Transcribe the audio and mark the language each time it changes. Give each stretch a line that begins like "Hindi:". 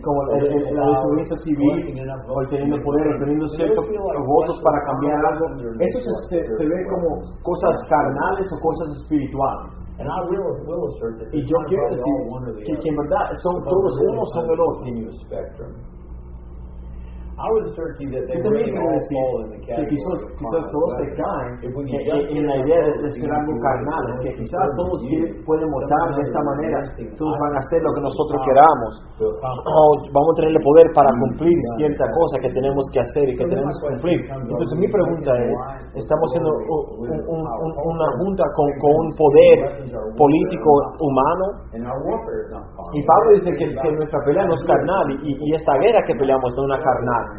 Spanish: como la desobediencia civil, o teniendo poder, teniendo ciertos votos para cambiar algo, eso se ve como cosas carnales o cosas espirituales. Y yo quiero decir que en verdad son todos unos o el otro.
English: I would assert to you that they really all fall in the category.
Spanish: Quizás todos se caen en la idea de ser algo carnal, que quizás todos pueden votar de esta manera, todos van a hacer lo que nosotros queramos, o vamos a tener el poder para cumplir cierta cosa que tenemos que hacer y que tenemos que cumplir. Entonces mi pregunta es, estamos haciendo una junta con un poder político humano, y Pablo dice que nuestra pelea no es carnal, y esta guerra que peleamos no es una carnal.